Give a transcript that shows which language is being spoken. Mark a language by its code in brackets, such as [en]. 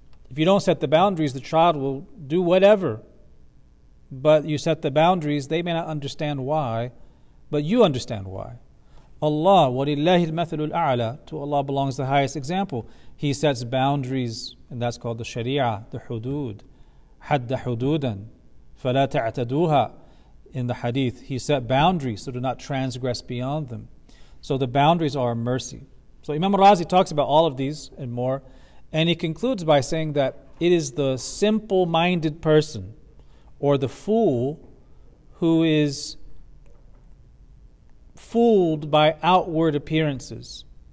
[en] If you don't set the boundaries, the child will do whatever. But you set the boundaries, they may not understand why, but you understand why. Allah, [ar] وَلِلَّهِ الْمَثَلُ الْأَعْلَى, [en] to Allah belongs the highest example. He sets boundaries, and that's called the sharia, the hudud. [ar] حَدَّ حُدُودًا فَلَا تَعْتَدُوهَا, [en] in the hadith. He set boundaries, so do not transgress beyond them. So the boundaries are a mercy. So Imam Razi talks about all of these and more, and he concludes by saying that it is the simple-minded person or the fool who is fooled by outward appearances.